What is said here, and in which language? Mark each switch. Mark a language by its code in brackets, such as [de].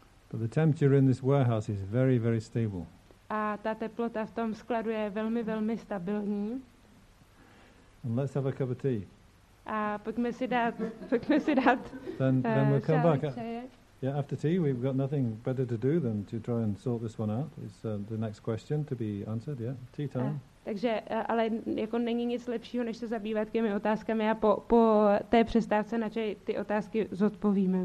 [en] But the temperature in this warehouse is very, very stable. [cs] A ta teplota v tom skladu je velmi, velmi stabilní. [en] And let's have a cup of tea. [cs] A pojďme si dát. [en] Then we'll come back. Yeah, after tea, we've got nothing better to do than to try and sort this one out. It's the next question to be answered. Yeah, tea time. [cs] Takže, ale jako není nic lepšího, než se zabývat těmi otázkami a po té přestávce na čaj ty otázky zodpovíme.